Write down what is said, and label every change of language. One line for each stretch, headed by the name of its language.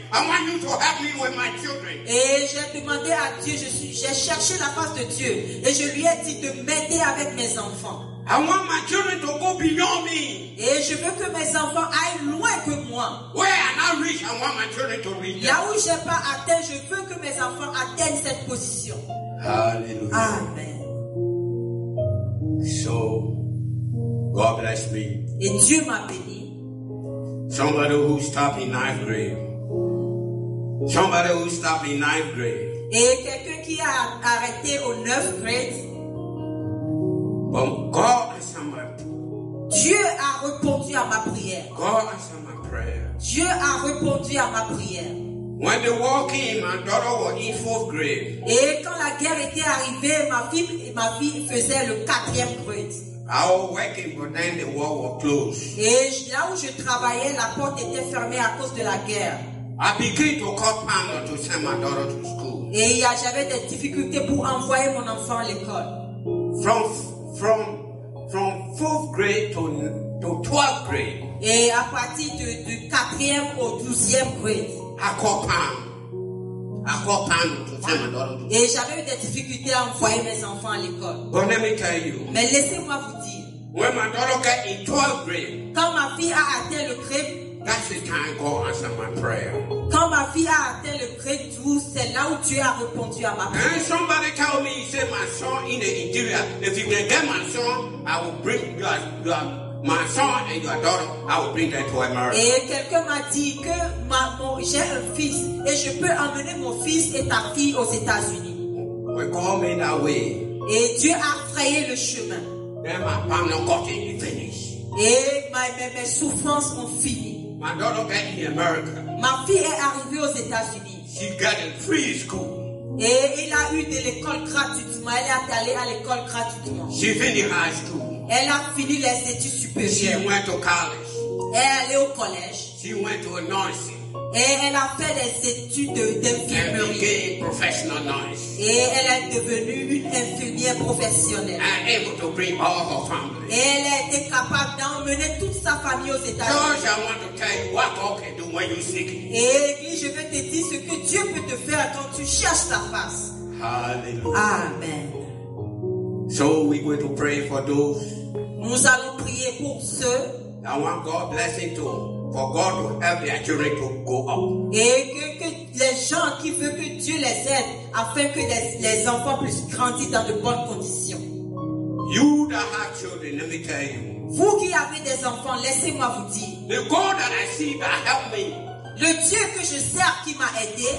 English: I want you to help me with my children.
French: Et j'ai demandé à Dieu. J'ai cherché la face de Dieu et je lui ai dit de m'aider avec mes enfants.
English: I want my children to go beyond me.
French: Et je veux que mes enfants aillent loin que moi.
English: Where I'm not rich, I want my children to reach.
French: Là où j'ai pas atteint, je veux que mes enfants atteignent cette position. Alléluia.
English: Amen. So, God bless me.
French: Et Dieu m'a béni.
English: Somebody who stopped in ninth grade. Somebody who stopped in ninth grade.
French: Et quelqu'un qui a arrêté au 9th grade.
English: But God answered my prayer.
French: Dieu a répondu à ma prière.
English: God answered my prayer.
French: Dieu a répondu à ma prière.
English: When the war came, my daughter was in fourth grade.
French: Et quand la guerre était arrivée, ma fille faisait le 4th grade.
English: I was working, but then the war was closed.
French: Et là où je travaillais, la porte était fermée à cause de la guerre.
English: I began to call Pamela to send my daughter to school.
French: Et j'avais des difficultés pour envoyer mon enfant à l'école.
English: From fourth grade to 12th grade.
French: Et à partir de 4th au 12th grade.
English: I call Pam to send my daughter to school.
French: Et j'avais des difficultés à envoyer mes enfants à l'école.
English: But let me tell you.
French: Mais laissez-moi vous dire.
English: When my daughter got in 12th grade.
French: Quand ma fille a atteint le grade.
English: That's the time God answered my prayer.
French: Quand ma fille a atteint le grade 12, c'est là où Dieu a répondu à ma prière.
English: And somebody told me, he said, my son in the interior, if you can get my son, I will bring my son and your daughter, I will bring them to America.
French: Et quelqu'un m'a dit que j'ai un fils et je peux emmener mon fils et ta fille aux États-Unis.
English: We call me that way.
French: Et Dieu a frayé le chemin.
English: Then my problem got in the finish.
French: Et mes souffrances ont fini.
English: My daughter got in America.
French: Ma fille est arrivée aux États-Unis.
English: She got a free school.
French: Et elle a eu de l'école gratuitement. Elle est allée à l'école gratuitement.
English: She finished high school.
French: Elle a fini les études supérieures.
English: She went to college.
French: Elle est allée au collège.
English: She went to a nursing.
French: Et elle a fait les études d'infirmerie.
English: And became professional nurse.
French: Et elle est devenue une infirmière professionnelle.
English: And able to bring all her family.
French: Et elle a été capable d'emmener toute sa famille aux États-Unis.
English: George, I want to tell you what God can do when you're sick.
French: Et l'église, je vais te dire ce que Dieu peut te faire quand tu cherches sa face.
English: Hallelujah. Amen. So we're going to pray for those.
French: Nous allons prier pour ceux.
English: I want God blessing to them. For God to help their children to go up.
French: Et que les gens qui veulent que Dieu les aide afin que les enfants puissent grandir dans de bonnes conditions.
English: You that have children, let me tell you.
French: Vous qui avez des enfants, laissez-moi vous dire.
English: The God that I see that help me.
French: Le Dieu que je sers qui m'a aidé.